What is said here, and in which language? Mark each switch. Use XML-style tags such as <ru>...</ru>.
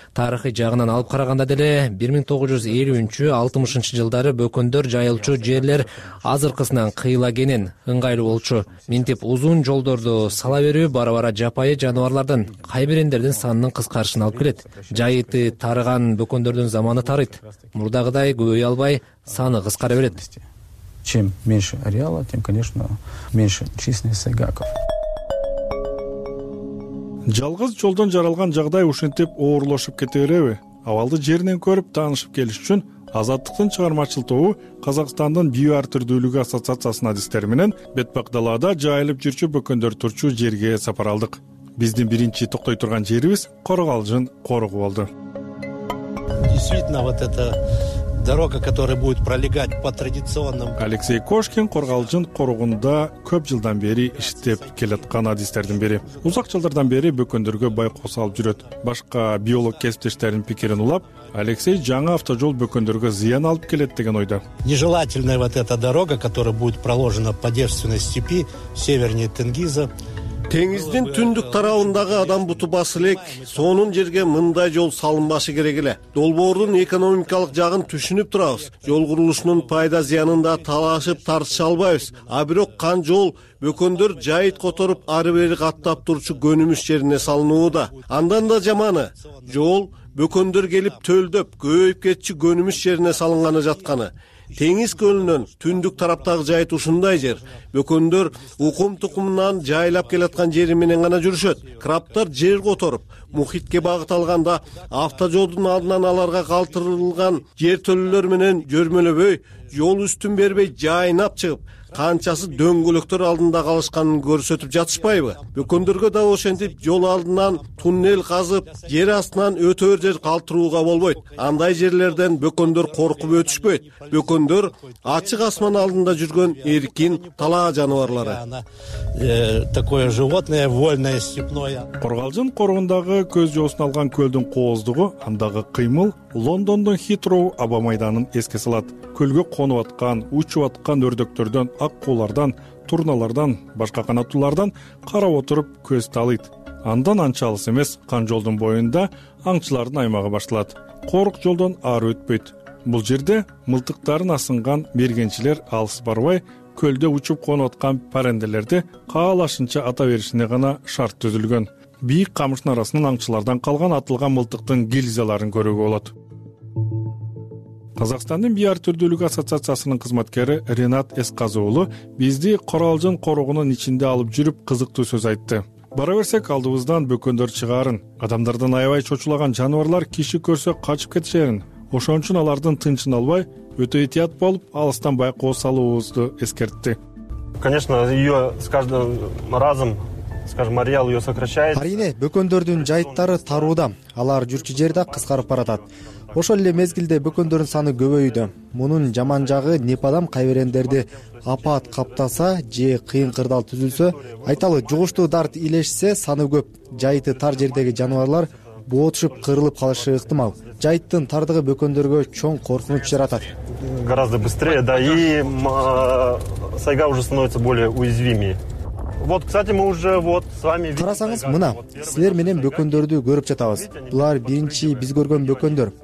<ky>Тарыхый жагынан алып караганда деле 1950-60 жылдары бөкөндөр жайылчу жерлер азыркысынан кыйла кенен ыңгайлуу болчу. Минтип узун жолдорду сала берүү бара-бара жапайы жаныбарлардын кайберендердин санынын кыскарышына алып келет. Жайыты тарыган бөкөндөрдүн заманы тарыйт. Мурдагыдай көбөйө албай, саны кыскара берет.</ky> <ru>чем меньше ареала, тем, конечно, меньше численность гаков.</ru> <ky>Жалгыз жолдон жаралган жагдай ушинтип оорлошуп кете береби? Абалды жеринен көрүп таанышып келиш үчүн Азаттыктын чыгармачыл тобу Казакстандын биоартүрдүүлүгү ассоциациясынын адистери менен Бетпак далаада жайылып жүрчү бөкөндөр турчу жерге сапар алдык. Биздин биринчи токтой турган жерибиз Коргалжын коругу болду.</ky> <ru>Действительно, вот эта дорога, которая будет пролегать по традиционным.</ru> <ky>Алексей Кошкин Коргалжын коругунда көп жылдан бери иштеп келаткан адистердин бири. Узак жылдардан бери бөкөндөргө байкоо салып жүрөт. Башка биолог кесиптештеринин пикирин улап, Алексей жаңы автожол бөкөндөргө зыян алып келет деген ойдо.</ky> <ru>Нежелательная вот эта дорога, которая будет проложена по девственной степи севернее Тенгиза.</ru> <ky>Теңиздин түндүк тарабындагы адам буту басы элек, сонун жерге мындай жол салынбашы керек эле. Долбоордун экономикалык жагын түшүнүп турабыз. Жол курулушунун пайда зыянын да талашып тартыша албайбыз. А бирок кан жол бөкөндөр жайыт которуп ары бери каттап турчу көнүмүш жерине салынууда. Андан да жаманы жол бөкөндөр келип төлдөп көйүп кетчү көнүмүш жерине салынганы жатканы. Теңиз көлүнөн түндүк тараптагы жайыт ушундай жер. Бөкөндөр укум тукумунан жайлап келаткан жери менен гана жүрүшөт. Краптар жер которуп мухитке багыт алганда автожолдун алдынан аларга калтырылган жер төлөлөр менен жөрмөлөбөй, жол үстүн бербей жайнап чыгып канчасы дөңгөлөктөр алдында калышканын көрсөтүп жатышпайбы? Бөкөндөргө да ошентип жол алдынан туннель казып, жер астынан өтөөр жер калтырууга болбойт. Андай жерлерден бөкөндөр коркуп өтүшпөйт. Бөкөндөр ачык асман алдында жүргөн эркин талаа жаныбарлары.</ky> <ru>Такое животное вольное степное.</ru> <ky>Коргалжын коргундагы көз жоосун алган көлдүн кооздугу, андагы кыймыл Лондондон Хитроу аба майданын эске салат. Көлгө конуп аткан, учуп аткан өрдөктөрдөн, аккуулардан, турналардан, башка канаттуулардан карап отуруп көз талыйт. Андан анча алыс эмес, кан жолдун боюнда аңчылардын аймагы башталат. Корук жолдон ары өтпөйт. Бул жерде мылтыктарын асынган мергенчилер алыс барбай, көлдө учуп конуп аткан парендерлерди каалашынча ата беришине гана шарт түзүлгөн. Бийик камыштын арасынан аңчылардан калган атылган мылтыктын гильзаларын көрүүгө болот. Казакстандын биоартүрдүүлүк ассоциациясынын кызматкери Ренат Эсказы уулу бизди Коргалжын коругунун ичинде алып жүрүп кызыктуу сөз айтты. Бара берсек алдыбыздан бөкөндөр чыгаарын, адамдардан аябай чочулаган жаныбарлар киши көрсө качып кетишерин, ошон үчүн алардын тынчын албай, өтө этият болуп алыстан байкоо салуубузду эскертти.</ky> <ru>Конечно, её с каждым разом, скажем, ареал её сокращается.</ru> <ky>Арине, бөкөндөрдүн жайыттары тарууда, алар жүрчү жерде кыскарып баратат. Ошол эле мезгилде бөкөндөрдүн саны көбөйүүдө. Мунун жаман жагы непадам кайберендерди апаат каптаса же кыйын кырдал түзүлсө, айталы жугуштуу дарт илешсе саны көп. Жайыты тар жердеги жаныбарлар боотушуп кырылып калышы ыктымал. Жайыттын тардыгы бөкөндөргө чоң коркунуч жаратат.</ky> <ru>Гораздо быстрее, да, и сайга уже становится более уязвимой. Вот, кстати, мы уже вот с вами видели.</ru> <ky>Карасаңыз, мына, силер менен бөкөндөрдү көрүп жатабыз. Булар биринчи биз көргөн бөкөндөр.</ky>